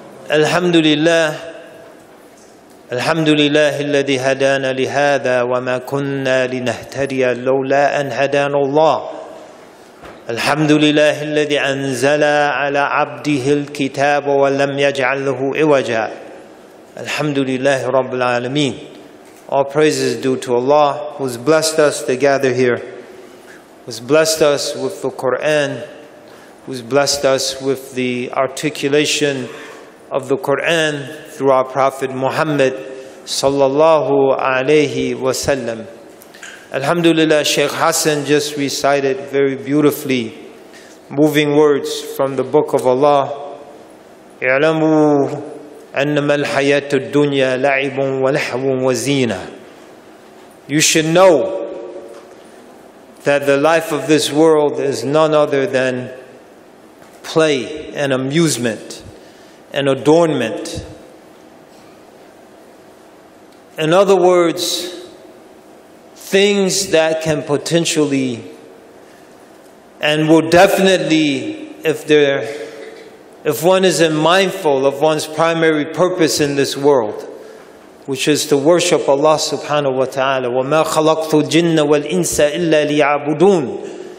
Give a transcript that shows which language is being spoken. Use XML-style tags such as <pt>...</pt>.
<ar>الحمد لله، الحمد لله الذي هدانا لهذا وما كنا لنهتدي لولا أن هدانا الله. الحمد لله الذي أنزل على عبده الكتاب ولم يجعل له عوجا. الحمد لله رب العالمين.</ar> <en>All praises due to Allah who's blessed us to gather here, who's blessed us with the Quran, who's blessed us with the articulation of the Quran through our Prophet Muhammad sallallahu alayhi wa sallam. Alhamdulillah, Sheikh Hassan just recited very beautifully moving words from the Book of Allah.</en> <ar>اعلموا أنما الحياة الدنيا لعب ولهو وزينة.</ar> <en>You should know that the life of this world is none other than play and amusement and adornment. In other words, things that can potentially and will definitely, if one isn't mindful of one's primary purpose in this world, which is to worship Allah subhanahu wa ta'ala,</en> <ar>وَمَا خَلَقْتُ الْجِنَّ وَالْإِنسَ إِلَّا لِيَعْبُدُونَ,</ar>